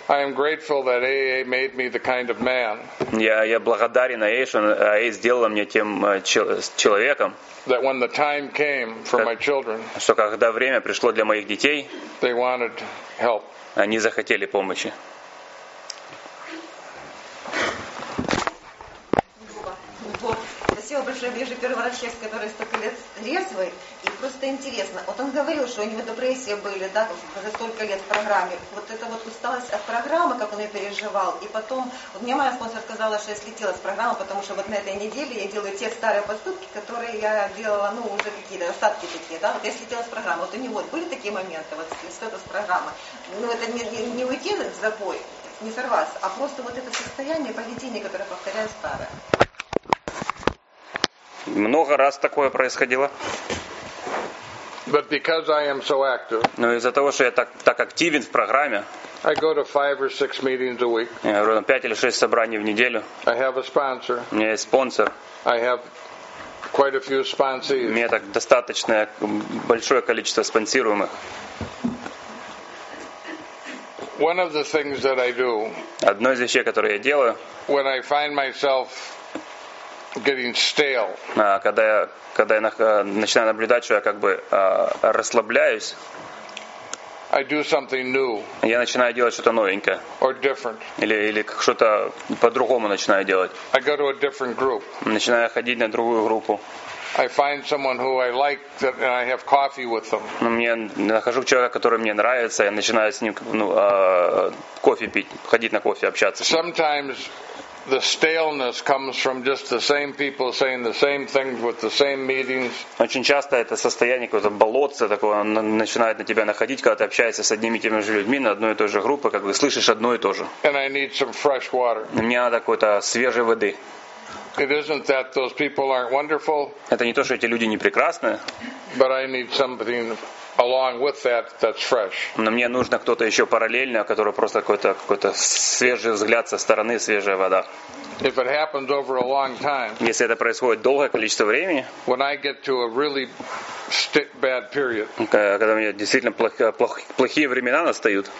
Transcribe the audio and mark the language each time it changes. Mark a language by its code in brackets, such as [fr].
[en] I am grateful that AA made me the kind of man. [ru] Я благодарен AA, что AA сделала меня тем человеком. [en] That when the time came for my children, [ru] что когда время пришло для моих детей, [en] they wanted help. [ru] Они захотели помощи. Спасибо большое, вижу первый раз человек, который столько лет резвый, и просто интересно. Вот он говорил, что у него депрессии были, да, за столько лет в программе. Вот эта вот усталость от программы, как он ее переживал, и потом, вот мне моя спонсор сказала, что я слетела с программы, потому что вот на этой неделе я делаю те старые поступки, которые я делала, ну, уже какие-то остатки такие, да, вот я слетела с программы. Вот у него были такие моменты, вот что-то с программы. Ну, это не уйти в запой, не сорваться, а просто вот это состояние поведения, которое повторяет старое. Много раз такое происходило. [en] But because I am so active, [ru] но из-за того, что я так активен в программе, [en] I go to 5 or 6 meetings a week. [ru] Я говорю, 5 или 6 собраний в неделю. [en] I have a sponsor. [ru] У меня есть спонсор. [en] I have quite a few sponsees. [ru] У меня так достаточно большое количество спонсируемых. [en] One of the things that I do, [ru] одно из вещей, которые я делаю, [en] when I find myself getting stale. [ru] Когда я начинаю наблюдать, что я как бы расслабляюсь, [en] I do something new. [ru] Я начинаю делать что-то новенькое. [en] Or different. [ru] Или что-то по-другому начинаю делать. [en] I go to a different group. [ru] Начинаю ходить на другую группу. [en] I find someone who I like that, and I have coffee with them. [ru] Ну, мне нахожу человека, который мне нравится, я начинаю с ним кофе пить, ходить на кофе, общаться. [en] Sometimes the staleness comes from just the same people saying the same things with the same meetings. [ru] Очень часто это состояние какое-то болотце такое, оно начинает на тебя находить, когда ты общаешься с одними и теми же людьми на одной и той же группе, как бы слышишь одно и то же. [en] And I need some fresh water. [ru] Мне надо какой-то свежей воды. [en] It isn't that those people aren't wonderful. [ru] Это не то, что эти люди не прекрасны. [en] But I need something along with that, that's fresh. [ru] Но мне нужно кто-то еще параллельно, который просто какой-то свежий взгляд со стороны, свежая вода. [en] If it happens over a long time, [ru] если это происходит долгое количество времени, [en] when I get to a really bad period, [ru] когда у меня действительно плохие времена настают,